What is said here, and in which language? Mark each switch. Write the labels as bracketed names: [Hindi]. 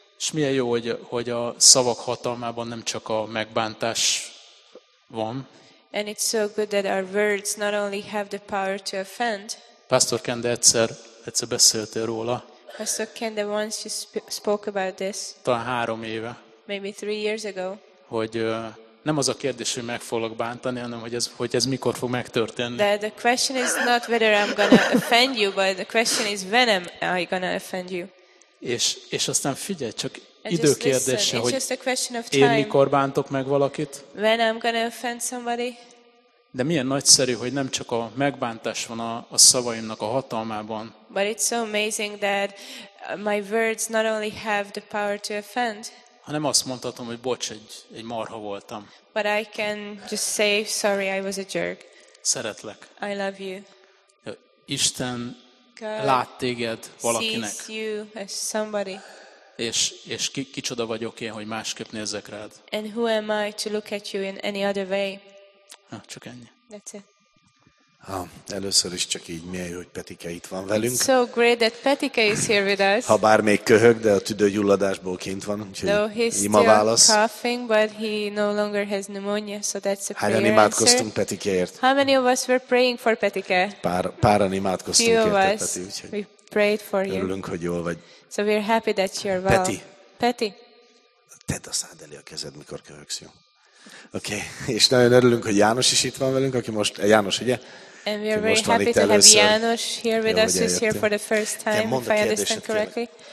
[Hungarian] És milyen jó, hogy a szavak hatalmában nem csak a megbántás van. [English] And it's so good that our words not only have the power to offend. [Hungarian] Pastor Kende egyszer beszéltél róla. [English] Pastor Kende once you spoke about this. [Hungarian] Talán 3 éve. [English] Maybe 3 years ago. [Hungarian] Hogy nem az a kérdés, hogy meg fogok bántani, hanem hogy ez mikor fog megtörténni. [English] That the question is not whether I'm gonna offend you, but the question is when am I gonna offend you. [Hungarian] És aztán figyelj, csak időkérdése, hogy én mikor bántok meg valakit. [English] When I'm gonna offend somebody. [Hungarian] De milyen nagyszerű, hogy nem csak a megbántás van a szavaimnak a hatalmában. [English] But it's so amazing that my words not only have the power to offend. [Hungarian] Hanem azt mondhatom, hogy bocs, egy marha voltam. [English] But I can just say sorry, I was a jerk. [Hungarian] Szeretlek. [English] I love you. [Hungarian] Isten lát téged valakinek. [English] Sees you as somebody. [Hungarian] És kicsoda vagyok én, hogy másképp nézek rád. [English] And who am I to look at you in any other way? [Hungarian] Csak ennyi. [English] That's it. [Hungarian] Először is csak így mély, hogy Petike itt van velünk. [English] It's so great that Petike is here with us. [Hungarian] Ha bár még köhög, de a tüdőgyulladásból kint van, úgyhogy ima válasz. [English] Coughing, but he no longer has pneumonia, so that's a prayer. [Hungarian] Hányan imádkoztunk Petikeért? [English] How many of us were praying for Petike? [Hungarian] Páran imádkoztunk érte, Peti, úgyhogy. [English] We prayed for you. [Hungarian] Örülünk, hogy jól vagy. [English] So we're happy that you're well. [Hungarian] Peti. Tedd a szád elé a kezed, mikor köhögsz, jó? Okay. És nagyon örülünk, hogy János is itt van velünk, aki most, János, ugye? [English] And we are very happy to have János here with us, who's here for the first time, if I understand correctly.